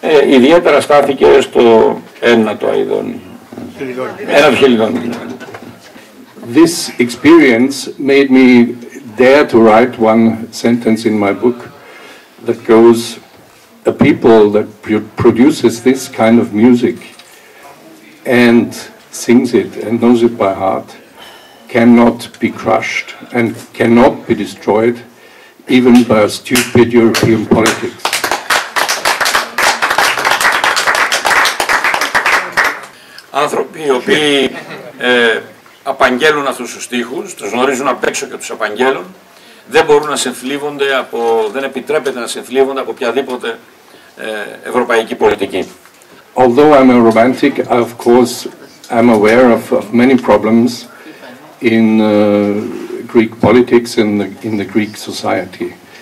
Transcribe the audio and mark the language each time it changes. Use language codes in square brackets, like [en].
[el] Ιδιαίτερα στάθηκε στο ένα το Αηδόνι. Ένα το Χελιδόνι. [en] This experience made me dare to write one sentence in my book that goes, a people that produces this kind of music and sings it and knows it by heart cannot be crushed and cannot be destroyed even by a stupid European politics. [el] Άνθρωποι οι οποίοι απαγγέλουν αυτούς τους στίχους, τους γνωρίζουν απ' έξω και τους απαγγέλουν, δεν μπορούν να συνθλίβονται από, δεν επιτρέπεται να συνθλίβονται από οποιαδήποτε ευρωπαϊκή πολιτική. [en] Although I'm a romantic, I of course I'm aware of many problems in Greek politics and in the Greek society.